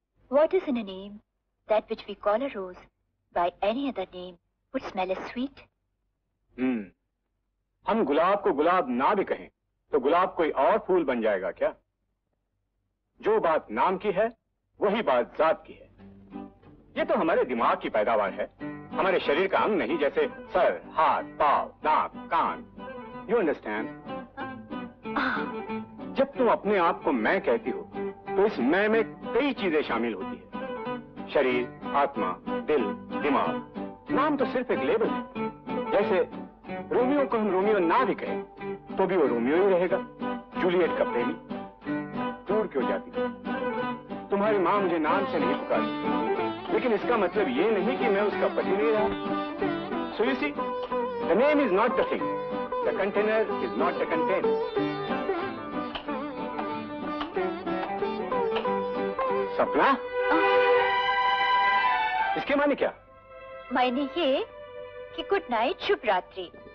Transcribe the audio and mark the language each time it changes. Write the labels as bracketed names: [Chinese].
[English] waters in a name, that which we call a rose, by any other name, would smell as sweet? Hmm. [Hindi] हम गुलाब को गुलाब ना भी कहें, तो गुलाब कोई और फूल बन जाएगा क्या? जो बात नाम की है, वही बात जात की है। ये तो हमारे दिमाग की पैदावार है, हमारे शरीर का अंग नहीं, जैसे सर, हाथ, पाँव, नाक, कान। [English] You understand? [Hindi] जब तुम अपने आप को मैं कहती हो, तो इस मैं में कई चीजें शामिल होती हैं। शरीर, आत्मा, दिल, दिमाग। नाम तो सिर्फ एक लेबल है। जैसे रोमियो को हम रोमियो ना भी कहें, तो भी वो रोमियो ही रहेगा। जूलियट का प्रेमी। दूर क्यों जाती? तुम्हारी माँ मुझे नाम से नहीं पुकारती, लेकिन इसका मतलब ये नहीं कि मैं उसका पति नहीं रहा। [English] So you see, the name is not the thing. The container is not the contents. [Hindi] सपना? इसके माने क्या? मायने ये कि गुड नाइट, शुभ रात्रि।